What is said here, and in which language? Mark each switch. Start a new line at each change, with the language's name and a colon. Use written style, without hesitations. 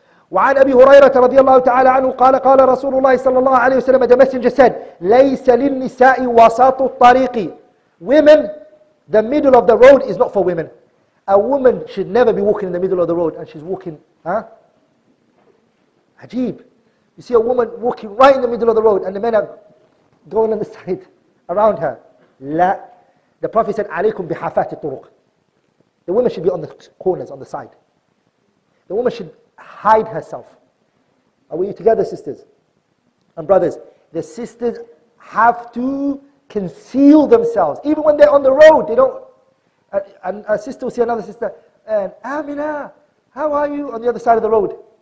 Arabic: وعن أبي هريرة رضي الله تعالى عنه قال, قال رسول الله صلى الله عليه وسلم,
English: the messenger said,
Arabic: ليس للنساء وساط الطريق,
English: women, the middle of the road is not for women. A woman should never be walking in the middle of the road and she's walking, huh?
Arabic: عجيب.
English: You see a woman walking right in the middle of the road and the men are going on the side around her.
Arabic: لا.
English: The Prophet said,
Arabic: عليكم بحافات الطرق.
English: The woman should be on the corners, on the side. The woman should hide herself. Are we together, sisters and brothers? The sisters have to conceal themselves. Even when they're on the road, they don't. And a sister will see another sister, and Amina, how are you? On the other side of the road.